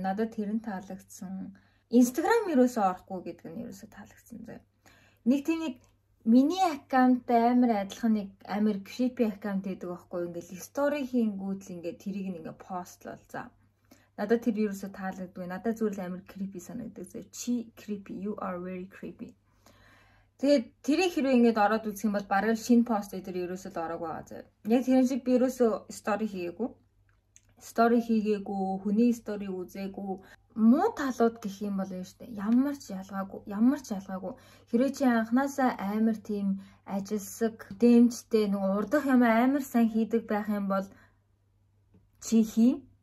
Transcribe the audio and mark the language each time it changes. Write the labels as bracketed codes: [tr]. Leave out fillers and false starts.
[mn] Тэгээ надад тэрэн таалагдсан. Instagram юусоо орохгүй гэдэг нь юусоо таалагдсан зэрэг. Нэг тийм нэг миний аккаунттай амар адилхан нэг амар creepy аккаунт гэдэг байхгүй. Ингээд story хийнгүүт л ингээд тэрийг ингээд post лол за. Надад тэр юусоо таалагддаг. Надад зүгээр л амар creepy санагддаг зэрэг. Чи creepy, [en] you are very creepy. [mn] Тэгээд тэр их хэрвээ ингэж ороод үзэх юм бол багыл шинэ пост дээр ерөөсөө л ороог байгаа зэрэг. Яг тэр шиг би ерөөсөө стори хийгээгүй. Стори хийгээгүй, хүний стори үзээгүй. Муу талууд гэх юм бол яаж вэ? Ямар ч ялгаагүй, ямар ч ялгаагүй. Хэрвээ чи анханасаа амар тийм ажилсаг, дэмжтэй, нэг урдах юм амар сайн хийдэг байх юм бол чи хий.